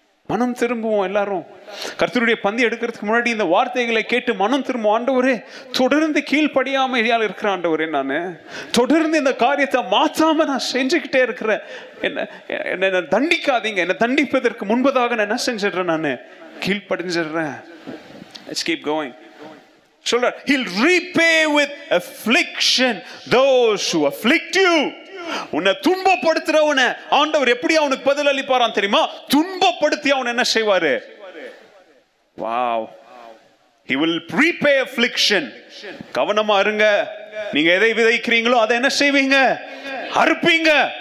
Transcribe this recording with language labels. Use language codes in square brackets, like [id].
[ta] மனம் திரும்புவோம் எல்லாரும். கர்த்தருடைய பந்தி எடுக்கிறதுக்கு முன்னாடி இந்த வார்த்தைகளை கேட்டு மனம் திரும்ப, ஆண்டவரே தொடர்ந்து கீழ்ப்படியாமையால் இருக்கிற ஆண்டவரே, நான் தொடர்ந்து இந்த காரியத்தை மாற்றாம நான் செஞ்சுக்கிட்டே இருக்கிறேன், என்ன என்ன தண்டிக்காதீங்க. என்னை தண்டிப்பதற்கு முன்பதாக நான் என்ன செஞ்சிடுறேன், நான் கீழ்ப்படிஞ்சிடுறேன். [en] Let's keep going. சொல்ற, He'll repay with affliction those who afflict you. [ta] உன்னை துன்பப்படுத்துறவன ஆண்டவர் எப்படி அவனுக்கு பதில் அளிப்பாராம் தெரியுமா, துன்பப்படுத்தி அவன் என்ன செய்வாரு, [en] He will prepay affliction. [ta] கவனமா இருங்க, நீங்க எதை விதைக்கிறீங்களோ அதை என்ன செய்வீங்க, அறுப்பீங்க.